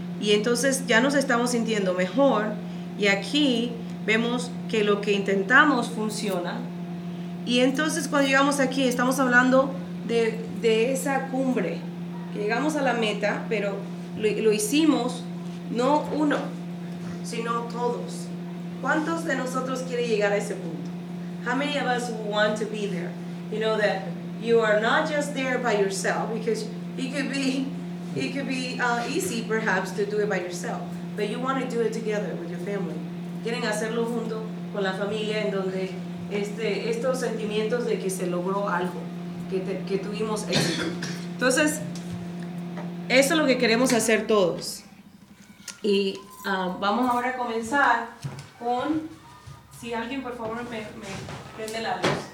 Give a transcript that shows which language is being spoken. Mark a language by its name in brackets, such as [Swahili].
[Spanish] Y entonces ya nos estamos sintiendo mejor, y aquí vemos que lo que intentamos funciona. Y entonces cuando llegamos aquí, estamos hablando de esa cumbre, que llegamos a la meta, pero lo hicimos no uno, sino todos. ¿Cuántos de nosotros quieren llegar a ese punto? [English] How many of us want to be there? You know that you are not just there by yourself, because it could be easy perhaps to do it by yourself, but you want to do it together with your family. [Spanish] Quieren hacerlo junto con la familia, en donde estos sentimientos de que se logró algo, que tuvimos éxito. Entonces, eso es lo que queremos hacer todos. Y vamos ahora a comenzar con, si alguien por favor me prende la luz.